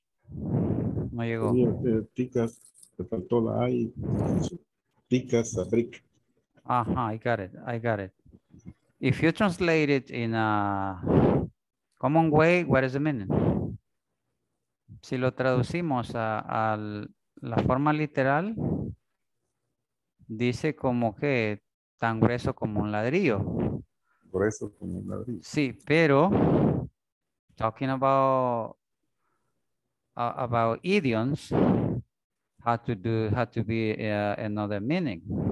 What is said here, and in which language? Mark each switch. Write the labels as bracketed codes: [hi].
[es] No llegó. Sí, ticas, te faltó la A. [en] Ticas a brick. Ajá, I got it. If you translate it in a common way, what is the meaning? [es] Si lo traducimos a la forma literal, dice como que tan grueso como un ladrillo. Grueso como un ladrillo. Sí, pero [en] talking about idioms, had to be another meaning.